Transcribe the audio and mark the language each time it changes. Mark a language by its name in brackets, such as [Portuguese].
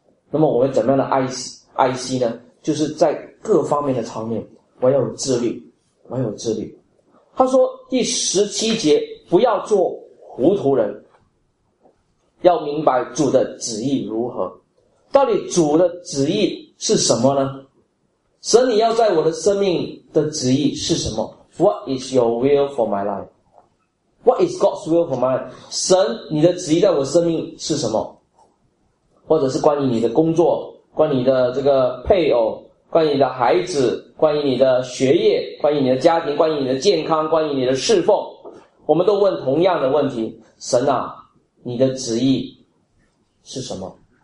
[Chinese] 那么我们怎么样的爱惜呢？就是在各方面的操练，我要有自律，我要有自律。他说第十七节，不要做糊涂人，要明白主的旨意如何。到底主的旨意是什么呢？神你要在我的生命的旨意是什么？ [English] What is your will for my life? What is God's will for my life? [Chinese] 神你的旨意在我生命是什么？或者是关于你的工作，关于你的这个配偶，关于你的孩子，关于你的学业，关于你的家庭，关于你的健康，关于你的侍奉，我们都问同样的问题，神啊，你的旨意是什么？